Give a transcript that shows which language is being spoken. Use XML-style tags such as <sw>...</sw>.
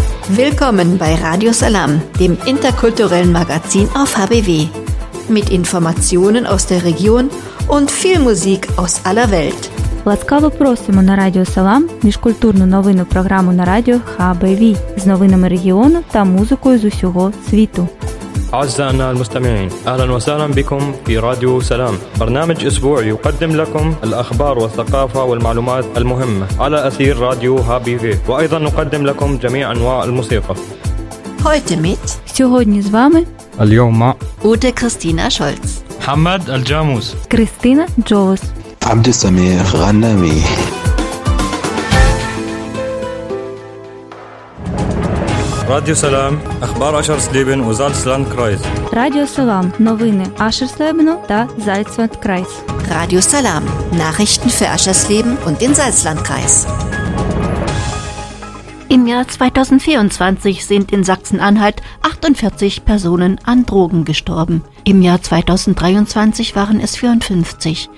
<de>Willkommen bei Radio Salam, dem interkulturellen Magazin auf HBW. Mit Informationen aus der Region und viel Musik aus aller Welt.</de> <uk>Ласкаво просимо на Радіо Салам міжкультурну новинну програму на радіо HBV з новинами регіону та музикою з усього світу.</uk> <ar>أعزائنا المستمعين أهلا وسهلا بكم في راديو سلام برنامج أسبوعي يقدم لكم الأخبار والثقافة والمعلومات المهمة على أثير راديو هابي في وأيضا نقدم لكم جميع أنواع الموسيقى</ar> <de>Heute mit</de> <uk>Сьогодні з вами</uk> <ar>اليوم مع</ar> <de>Ute Christina Scholz</de> <ar>محمد الجاموس</ar> <de>Christina Jovis</de> <ar>عبد السميع غنامي Радіо Салам, Ахбар Ашерслібен у Зальцландкрайс.</ar> <uk>Радіо Салам, новини Ашерслібену та Зальцландкрайс.</uk> <de>Радіо Салам, Nachrichten für Ашерслібен und den Salzlandkreis. Im Jahr 2024 sind in Sachsen-Anhalt 48 Personen an Drogen gestorben. Im Jahr 2023 waren es 54.</de>